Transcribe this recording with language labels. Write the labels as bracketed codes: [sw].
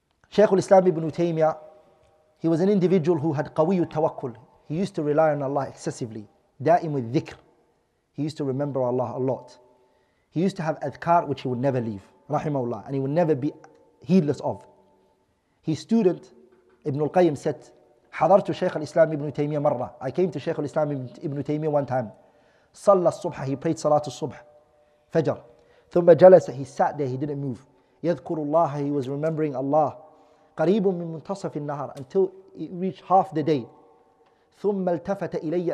[en] Shaykh al-Islam ibn Taymiyyah, he was an individual who had qawiyu tawakkul. He used to rely on Allah excessively. Da'im with dhikr. He used to remember Allah a lot. He used to have adhkar, which he would never leave. Rahimahullah. And he would never be heedless of. His student, Ibn al-Qayyim, said, [ar] حضرت شيخ الإسلام ابن تيمية مرة. [en] I came to شيخ الإسلام ابن تيمية one time. [ar] صلى الصبح. [en] He prayed صلاة الصبح. [ar] فجر. ثم جلس. [en] He sat there. He didn't move. [ar] يذكر الله. [en] He was remembering Allah. [ar] قريب من منتصف النهار. [en] Until it reached half the day. [ar] ثم التفت إلي.